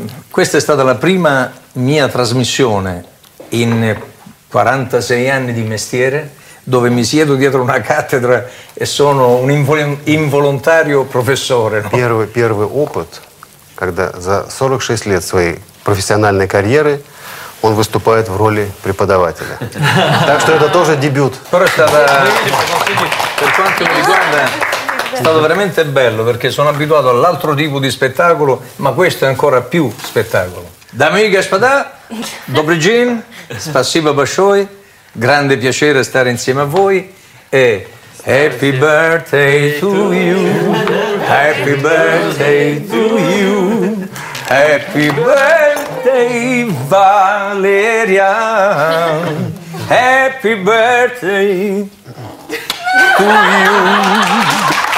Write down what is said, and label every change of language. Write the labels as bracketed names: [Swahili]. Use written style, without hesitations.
[Italian] Questa è stata la prima mia trasmissione in 46 anni di mestiere, dove mi siedo dietro una cattedra e sono un involontario professore. [Russian] Первый опыт. Когда за 46 лет своей профессиональной карьеры он выступает в роли преподавателя. Так что это тоже дебют. Просто да. [Italian] Per quanto mi riguarda, è stato veramente bello, perché sono abituato all'altro tipo di spettacolo, ma questo è ancora più spettacolo. [Russian] Dami gaspada, добрый день, спасибо большое, [Italian] grande piacere stare insieme a voi e [English] happy birthday to you. Happy birthday to you, happy birthday Valeria, happy birthday to you.